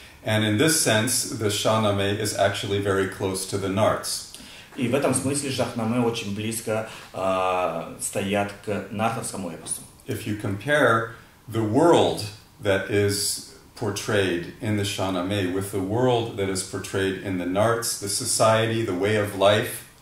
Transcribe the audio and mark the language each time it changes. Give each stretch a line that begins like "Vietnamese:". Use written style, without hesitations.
English: And in this sense, the Shahnameh is actually very close to the Narts.
Russian: И в этом смысле Шахнаме очень близко стоят к нартовскому эпосу.
English: If you compare the world that is portrayed in the Shahnameh with the world that is portrayed in the Narts, the society, the way of life.